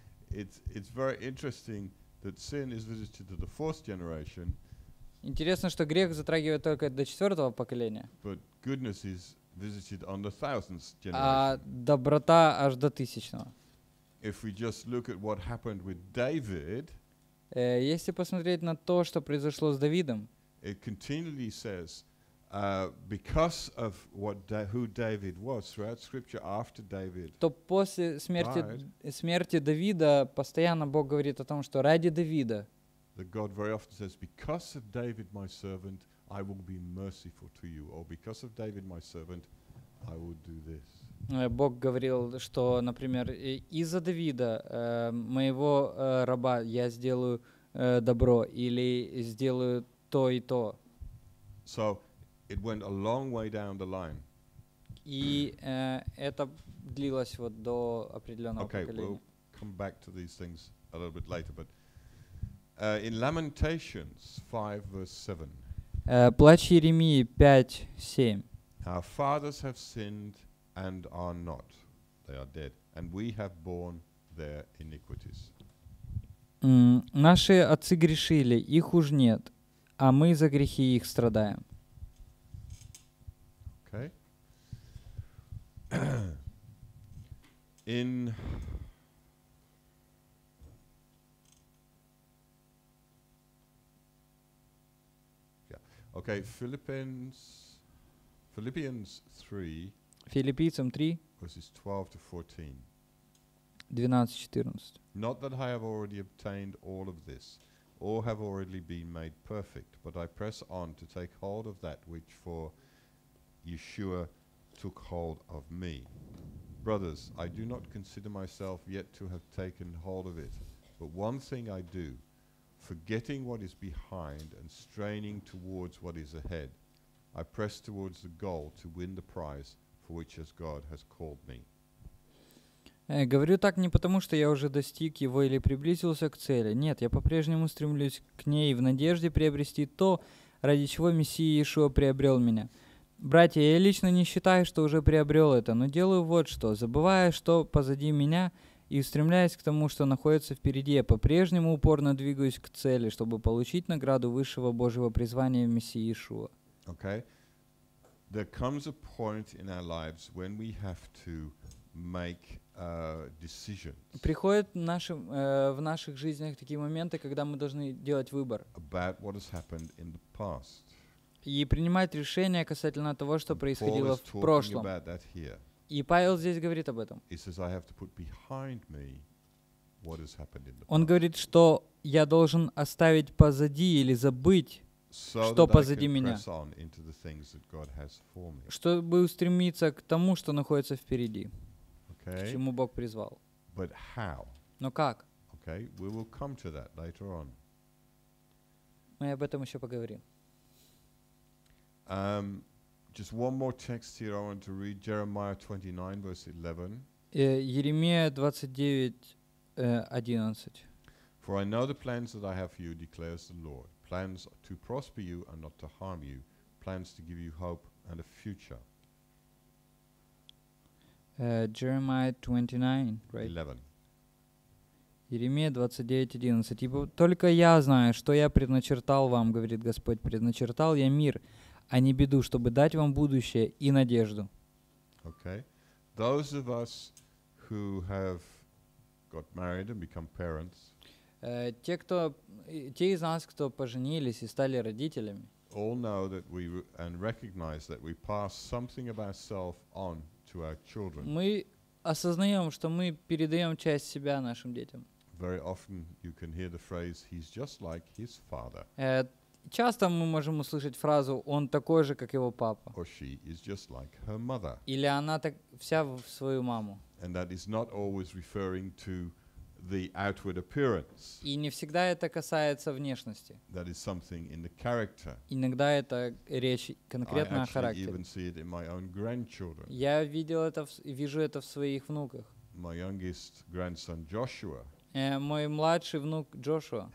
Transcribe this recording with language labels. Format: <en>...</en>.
<en>It's very interesting that sin is visited to the fourth generation.</en> <ru>Интересно, что грех затрагивает только до четвертого поколения.</ru> <en>But goodness is visited on the thousandth generation.</en> <ru>А доброта аж до тысячного.</ru> <en>If we just look at what happened with David.</en> <ru>Если посмотреть на то, что произошло с Давидом.</ru> <en>It continually says, because of who David was throughout Scripture after David.</en> <ru>То после смерти Давида постоянно Бог говорит о том, что ради Давида.</ru> <en>The God very often says, because of David my servant, I will be merciful to you, or because of David my servant, I will do this.</en> <ru>Бог говорил, что, например, из-за Давида моего раба я сделаю добро или сделаю то и то.</ru> <en>So. It went a long way down the line.</en> <ru>И это длилось вот до определенного поколения.</ru> <en>Okay, we'll come back to these things a little bit later, but in Lamentations 5 verse 7.</en> <ru>Плач Иеремии 5:7.</ru> <en>Our fathers have sinned and are not. They are dead, and we have borne their iniquities.</en> <ru>Наши отцы грешили, их уж нет, а мы за грехи их страдаем.</ru> <en>Okay. In Okay, Philippians 3. Филиппийцам 3. Verses 12 to 14. 12-14. Not that I have already obtained all of this, or have already been made perfect, but I press on to take hold of that which for Yeshua took hold of me. Brothers, I do not consider myself yet to have taken hold of it, but one thing I do, forgetting what is behind and straining towards what is ahead, I press towards the goal to win the prize for which as God has called me.</en> <ru>Говорю так не потому, что я уже достиг его или приблизился к цели. Нет, я по-прежнему стремлюсь к ней в надежде приобрести то, ради чего Мессия Иешуа приобрел меня. Братья, я лично не считаю, что уже приобрел это, но делаю вот что. Забывая, что позади меня, и устремляясь к тому, что находится впереди, я по-прежнему упорно двигаюсь к цели, чтобы получить награду высшего Божьего призвания в Мессии Иешуа.</ru> <en>Okay. There comes a point in our lives when we have to make decisions.</en> <ru>Приходят в наших жизнях такие моменты, когда мы должны делать выбор.</ru> <en>About what has happened in the past.</en> <ru>И принимать решения касательно того, что</ru> <en>And</en> <ru>происходило</ru> <en>Paul is</en> <ru>в прошлом.</ru> <en>About that here.</en> <ru>И Павел здесь говорит об этом.</ru> <en>He says, I have to put behind me what has happened in the past.</en> <ru>Он говорит, что я должен оставить позади или забыть</ru> <en>So</en> <ru>что позади меня,</ru> <en>press on into the things that God has for me.</en> <ru>Чтобы устремиться к тому, что находится впереди,</ru> <en>okay.</en> <ru>к чему Бог призвал.</ru> <en>But how?</en> <ru>Но как?</ru> <en>Okay. We will come to that later on.</en> <ru>Мы об этом еще поговорим.</ru> <en>Just one more text here I want to read. Jeremiah 29, verse 11.</en> <ru>Еремия 29:11.</ru> <en>For I know the plans that I have for you, declares the Lord. Plans to prosper you and not to harm you. Plans to give you hope and a future. Jeremiah 29, right? 11.</en> <ru>Иеремия 29:11. Ибо только я знаю, что я предначертал вам, говорит Господь. Предначертал я мир, а не беду, чтобы дать вам будущее и надежду.</ru> <en>Okay. Those of us who have got married and become parents,</en> <ru>те из нас, кто поженились и стали родителями,</ru> <en>all know that we and recognize that we pass something of ourselves on to our children.</en> <ru>Мы осознаем, что мы передаем часть себя нашим детям.</ru> <en>Very often you can hear the phrase, he's just like his father.</en> <ru>Часто мы можем услышать фразу, он такой же, как его папа.</ru> <en>Or she is just like her mother.</en> <ru>Или она так вся в свою маму.</ru> <en>And that is not always referring to the outward appearance.</en> <ru>И не всегда это касается внешности.</ru> <en>That is something in the character.</en> <ru>Иногда это речь конкретно о характере.</ru> <en>I even see it in my own grandchildren.</en> <ru>Я видел это, вижу это в своих внуках.</ru> <en>My youngest grandson Joshua.</en> <ru>Мой младший внук Джошуа.</ru>